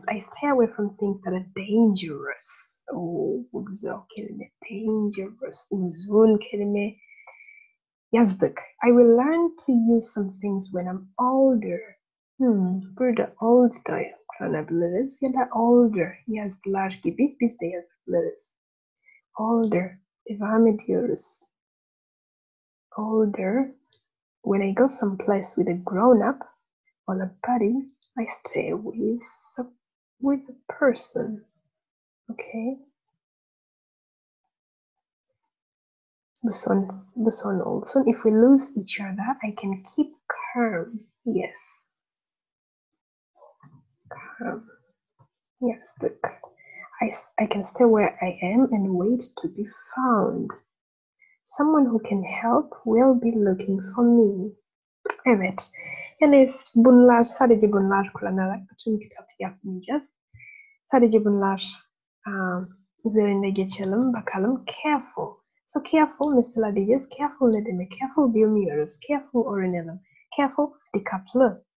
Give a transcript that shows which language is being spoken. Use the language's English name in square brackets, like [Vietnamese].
[English] I stay away from things that are dangerous. Oh, [Turkish] bu güzel kelime. [English] Dangerous. [Turkish] Uzun kelime. Yazdık. [English] I will learn to use some things when I'm older. [Turkish] Burada old da kullanabiliriz ya da older yazdılar gibi biz de yazabiliriz. [English] Older. [Turkish] Devam ediyoruz. Older. [English] When I go someplace with a grown-up or a buddy, I stay with a person. Okay. [Turkish] Bu son olsun. [English] If we lose each other, I can keep calm. Yes. Calm. Yes, look. I can stay where I am and wait to be found. Someone who can help will be looking for me. [Turkish] Evet. Yani bunlar, sadece bunlar kullanarak bütün kitabı yapmayacağız. Sadece bunlar üzerinde geçelim. Bakalım. Careful. So careful mesela diyeceğiz. Careful ne demek? Careful bilmiyoruz. Careful öğrenelim. Careful, dikkatli.